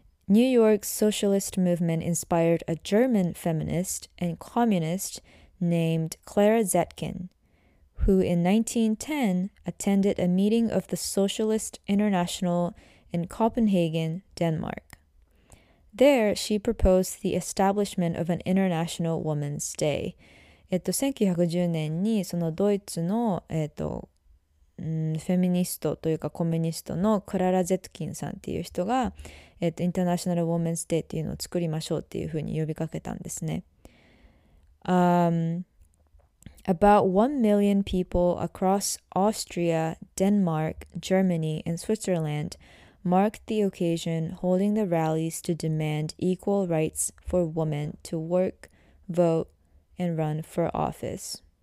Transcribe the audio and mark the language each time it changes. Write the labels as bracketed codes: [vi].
[en] New York's socialist movement inspired a German feminist and communist named Clara Zetkin, who in 1910 attended a meeting of the Socialist International in Copenhagen, Denmark. There, she proposed the establishment of an International Women's Day. [ja] 1910年にそのドイツの、フェミニストというかコミュニストのクララ・ゼットキンさんっていう人が、インターナショナル・ウォーメンズ・デーっていうのを作りましょうっていうふうに呼びかけたんですね。 [en] About 1 million people across Austria, Denmark, Germany, and Switzerland marked the occasion, holding the rallies to demand equal rights for women to work, vote, and run for office.